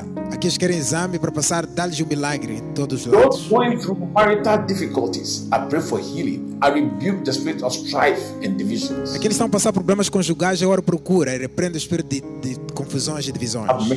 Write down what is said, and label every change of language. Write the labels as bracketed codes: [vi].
[pt] Aqueles que querem exame para passar, dá-lhes um milagre em todos os lados. [en] Those going through marital difficulties, I pray for healing. I rebuke the spirit of strife and divisions. [pt] Aqueles que estão a passar problemas conjugais, eu oro por cura e repreendo o espírito de confusões e divisões.